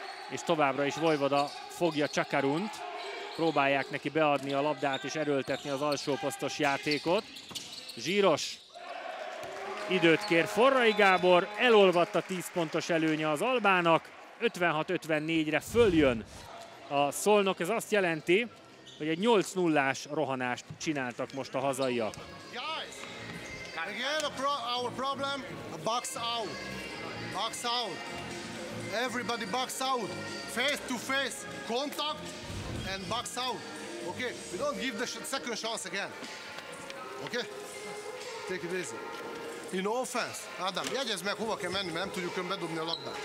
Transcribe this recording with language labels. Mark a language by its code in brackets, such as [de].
[hu] És továbbra is Vojvoda fogja Csakarunt. Próbálják neki beadni a labdát és erőltetni az alsó posztos játékot. Zsíros. Időt kér Forrai Gábor. Elolvadt a 10 pontos előnye az Albának. 56-54-re följön a Szolnok. Ez azt jelenti, hogy egy 8-0-ás rohanást csináltak most a hazaiak. [en] Again, our problem, box out. Box out. Everybody box out. Face to face, contact, and box out. Okay, we don't give the second chance again. Okay? Take it easy. In offense, [hu] Adam, jegyezd meg, hova kell menni, mert nem tudjuk ön bedobni a labdát.